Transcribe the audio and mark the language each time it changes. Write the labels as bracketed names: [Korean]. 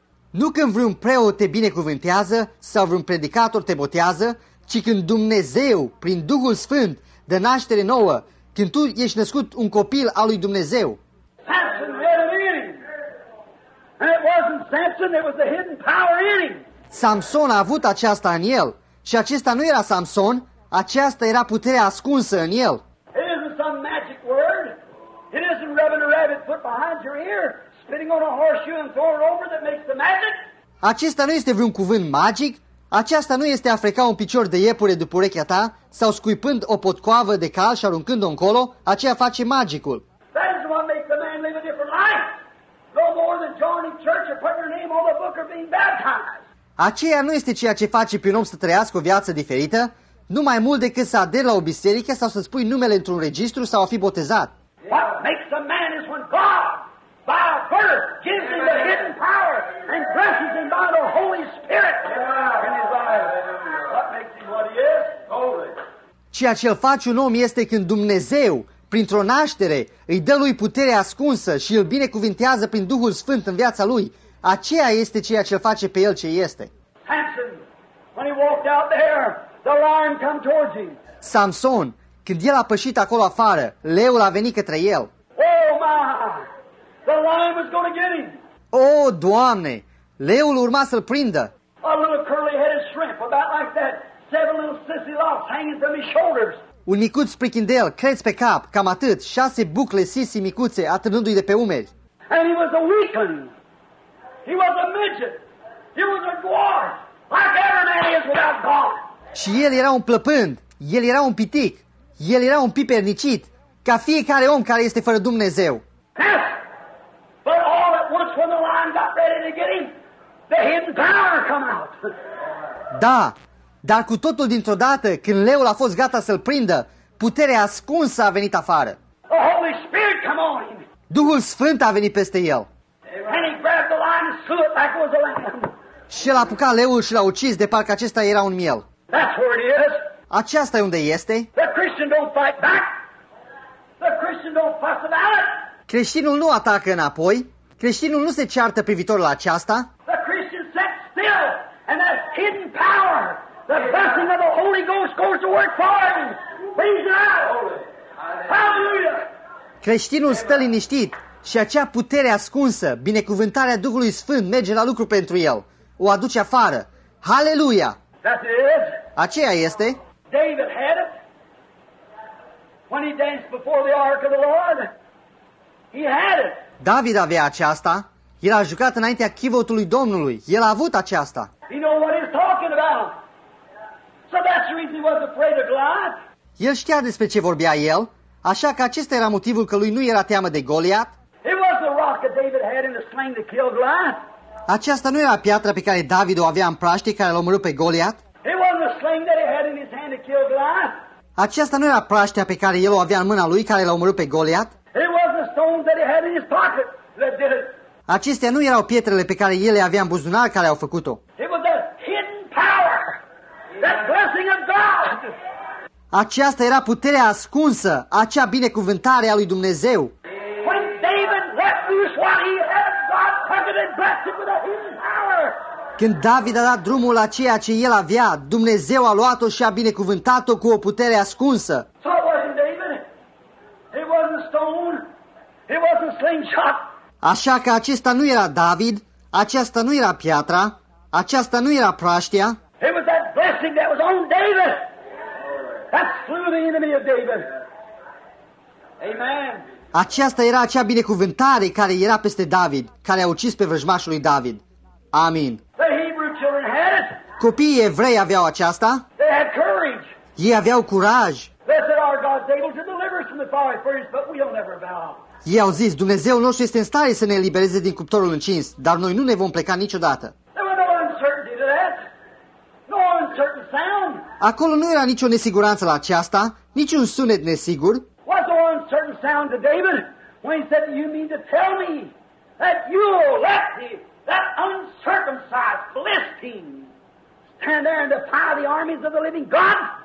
[Romanian] Nu când vreun preot te binecuvântează sau vreun predicator te botează, ci când Dumnezeu, prin Duhul Sfânt, dă naștere nouă, când tu ești născut un copil al lui Dumnezeu. [English] Samson had it in him. And it wasn't Samson, it was the hidden power in him. [Romanian] Samson a avut aceasta în el. Și acesta nu era Samson, aceasta era puterea ascunsă în el. [English] It isn't some magic word. It isn't rubbing a rabbit foot behind your ear, spitting on a horseshoe and throwing it over that makes the magic. [Romanian] Acesta nu este vreun cuvânt magic. Aceasta nu este a freca un picior de iepure după urechea ta sau scuipând o potcoavă de cal și aruncând-o încolo. Aceea face magicul. [English] That is what makes the man live a different life. No more than joining church or putting your name on the book or being baptized. [Romanian] Aceea nu este ceea ce face pe un om să trăiască o viață diferită, nu mai mult decât să aderi la o biserică sau să-ți pui numele într-un registru sau a fi botezat. [English] What makes a man is when God, by birth, gives him the hidden power and blesses him by the Holy Spirit in his life. What makes him what he is? Holy. [Romanian] Ceea ce îl face un om este când Dumnezeu, printr-o naștere, îi dă lui putere ascunsă și îl binecuvintează prin Duhul Sfânt în viața lui. Aceea este ceea ce îl face pe el ce este. [English] Samson, when he walked out there, the lion come towards him. [Romanian] Samson, când el a pășit acolo afară, leul a venit către el. [English] Oh my! The lion was going to get him. [Romanian] Oh, Doamne! Leul urma să-l prindă. [English] A little curly-headed shrimp, about like that, seven little sissy locks hanging from his shoulders. [Romanian] Un micuț prichindel, creț pe cap, cam atât, șase bucle sissy micuțe atârnându-i de pe umeri. [English] And he was a weakling. He was a midget. He was a dwarf. Like every man is without God. [Romanian] Și el era un plăpând. El era un pitic. El era un pipernicit. Ca fiecare om care este fără Dumnezeu. [English] Yes. But all at once when the lion got ready to get him, the hidden power come out. [Romanian] Da. Dar cu totul dintr-o dată, când leul a fost gata să-l prindă, puterea ascunsă a venit afară. [English] The Holy Spirit come on him. [Romanian] Duhul Sfânt a venit peste el. [English] And he grabbed the lion and slew it like it was a lamb. [Romanian] Și l-a apucat leul și l-a ucis de parcă acesta era un miel. [English] That's where it is. [Romanian] Aceasta e unde este. [English] The Christian don't fight back. The Christian don't fuss about it. [Romanian] Creștinul nu atacă înapoi. Creștinul nu se ceartă privitorul aceasta. [English] The Christian sits still and has hidden power. The blessing of the Holy Ghost goes to work for him. Praise God. Hallelujah. [Romanian] Creștinul stă liniștit și acea putere ascunsă, binecuvântarea Duhului Sfânt, merge la lucru pentru el. O aduce afară. Hallelujah. [English] That is. [Romanian] Aceea este. [English] David had it. When he danced before the ark of the Lord, he had it. [Romanian] David avea aceasta. El a jucat înaintea chivotului Domnului. El a avut aceasta. [English] He knew what he's talking about. So that's the reason he wasn't afraid of God. [Romanian] El știa despre ce vorbea el, așa că acesta era motivul că lui nu era teamă de Goliat. [English] It was the rock that David had in the sling to kill Goliath. [Romanian] Aceasta nu era piatra pe care David o avea în praștie care l-a omorât pe Goliat. [English] It wasn't the sling that he had in his hand to kill Goliath. [Romanian] Aceasta nu era praștia pe care el o avea în mâna lui care l-a omorât pe Goliat. [English] It was the stone that he had in his pocket that did it. [Romanian] Acestea nu erau pietrele pe care el le avea în buzunar care au făcut-o. [English] It was the hidden power, that blessing of God. [Romanian] Aceasta era puterea ascunsă, acea binecuvântare a lui Dumnezeu. [English] When David let loose what he had, God covered and blessed it with a hidden power. [Romanian] Când David a dat drumul la ceea ce el avea, Dumnezeu a luat-o și a binecuvântat-o cu o putere ascunsă. [English] So it wasn't David. It wasn't stone. It wasn't slingshot. [Romanian] Așa că acesta nu era David, aceasta nu era piatra, aceasta nu era praștia. [English] It was that blessing that was on David. That slew the enemy of David. Amen. [Romanian] Aceasta era acea binecuvântare care era peste David, care a ucis pe vrăjmașul lui David. Amin. [English] The Hebrew children had it. [Romanian] Copiii evrei aveau aceasta. [English] They had courage. [Romanian] Ei aveau curaj. [English] They said our God is able to deliver us from the fiery furnace, but we'll never bow. [Romanian] Ei au zis, Dumnezeul nostru este în stare să ne elibereze din cuptorul încins, dar noi nu ne vom pleca niciodată. [English] There was no uncertainty to that. No uncertain sound. [Romanian] Acolo nu era nicio nesiguranță la aceasta, niciun sunet nesigur. [English] What was the uncertain sound to David when he said, you mean to tell me that you will let me? That uncircumcised Philistine stand there and defy the armies of the living God?